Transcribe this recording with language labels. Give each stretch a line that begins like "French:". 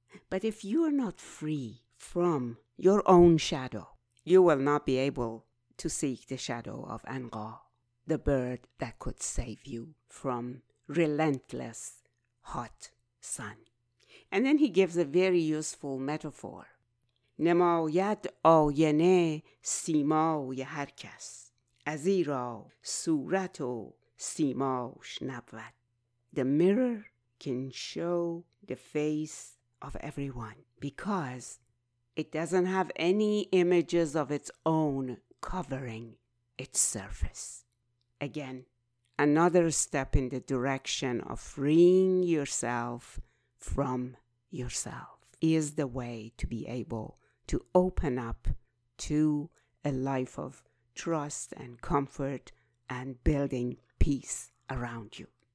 English: But if you are not free from your own shadow, you will not be able to seek the shadow of Anqa, the bird that could save you from relentless hot sun. And then he gives a very useful metaphor.
Persian: نماید آینه سیمای هر کس، ازیرا صورت و سیماش نبود.
English: The mirror can show the face of everyone because it doesn't have any images of its own covering its surface. Again, another step in the direction of freeing yourself from yourself is the way to be able to open up to a life of trust and comfort and building peace around you.